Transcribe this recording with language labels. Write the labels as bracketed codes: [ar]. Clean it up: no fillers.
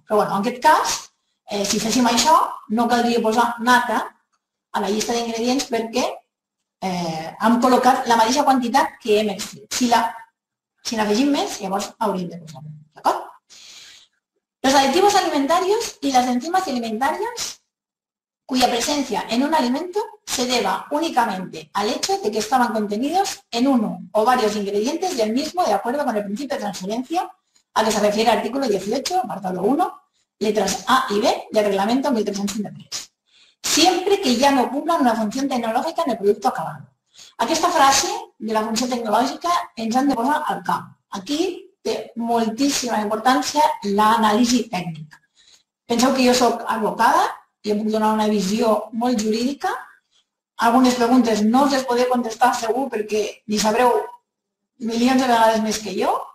[ca] Però bueno, en aquest cas, si féssim això, no caldria posar nata a la llista d'ingredients perquè hem col·locat la mateixa quantitat que hem extret. Si n'afegim més, llavors hauríem de posar-ho. D'acord? [es] Los aditivos alimentarios y las enzimas alimentarias cuya presencia en un alimento se deba únicamente al hecho de que estaban contenidos en uno o varios ingredientes del mismo de acuerdo con el principio de transferencia a que se refiere el artículo 18, apartado 1, letras A y B del reglamento 1353, siempre que ya no cumplan una función tecnológica en el producto acabado. [ca] Aquesta frase de [es] la función tecnológica [ca] ens han de posar al cap. Aquí té moltíssima importància l'anàlisi tècnica. Penseu que jo sóc advocada i em puc donar una visió molt jurídica. Algunes preguntes no us les podré contestar segur perquè ni sabreu milions de vegades més que jo.